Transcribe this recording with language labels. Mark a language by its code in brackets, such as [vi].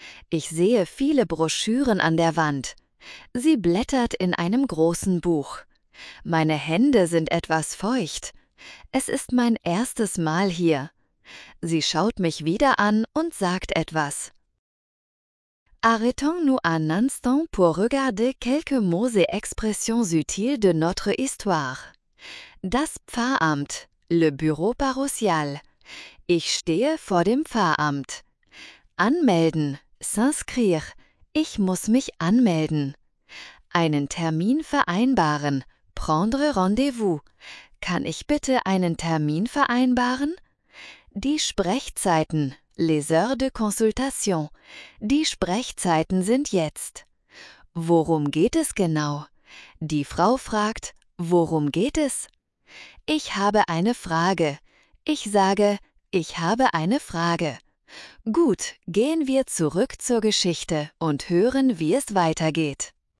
[de] Ich sehe viele Broschüren an der Wand. Sie blättert in einem großen Buch. Meine Hände sind etwas feucht. Es ist mein erstes Mal hier. Sie schaut mich wieder an und sagt etwas. [fr] Arrêtons-nous un instant pour regarder quelques mots et expressions utiles de notre histoire. [de] Das Pfarramt, [fr] le bureau parochial. [de] Ich stehe vor dem Pfarramt. Anmelden, [fr] s'inscrire. [de] Ich muss mich anmelden. Einen Termin vereinbaren, [fr] prendre rendez-vous. [de] Kann ich bitte einen Termin vereinbaren? Die Sprechzeiten. [fr] Les heures de consultation. [de] Die Sprechzeiten sind jetzt. Worum geht es genau? Die Frau fragt, worum geht es? Ich habe eine Frage. Ich sage, ich habe eine Frage. Gut, gehen wir zurück zur Geschichte und hören, wie es weitergeht.